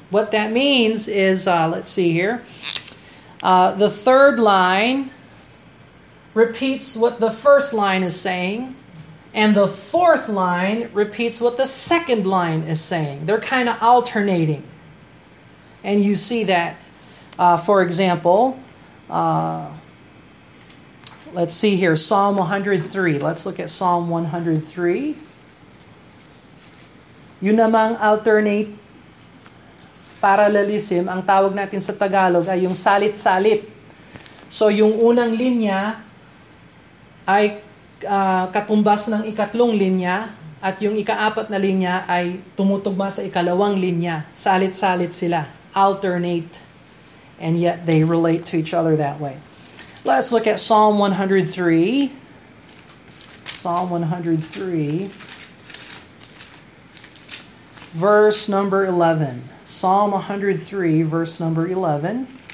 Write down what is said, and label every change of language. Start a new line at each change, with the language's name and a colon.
English: What that means is, let's see here, the third line repeats what the first line is saying, and the fourth line repeats what the second line is saying. They're kind of alternating. And you see that, for example, let's see here, Psalm 103. Let's look at Psalm 103.
Filipino: Yun namang alternate parallelism, ang tawag natin sa Tagalog ay yung salit-salit. So yung unang linya ay katumbas ng ikatlong linya at yung ikaapat na linya ay tumutugma sa ikalawang linya. Salit-salit sila. Alternate.
English: And yet they relate to each other that way. Let's look at Psalm 103. Psalm 103. Verse number 11. Psalm 103, verse number 11.